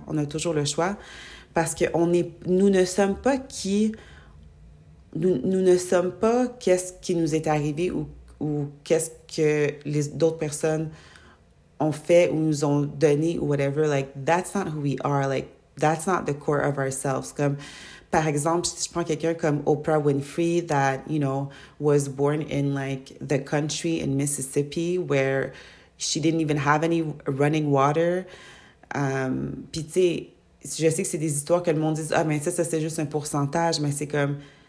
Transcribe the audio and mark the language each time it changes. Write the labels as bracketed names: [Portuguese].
[French] On a toujours le choix parce que nous ne sommes pas qui... Nous ne sommes pas qu'est-ce qui nous est arrivé ou qu'est-ce que d'autres personnes ont fait ou nous ont donné ou whatever. [English] Like, that's not who we are. Like, that's not the core of ourselves. [French] Comme, par exemple, si je prends quelqu'un comme [English] Oprah Winfrey that, you know, was born in, like, the country in Mississippi where she didn't even have any running water. [French] Puis, tu sais, je sais que c'est des histoires que le monde dit, ah, mais ça, c'est juste un pourcentage, mais c'est comme...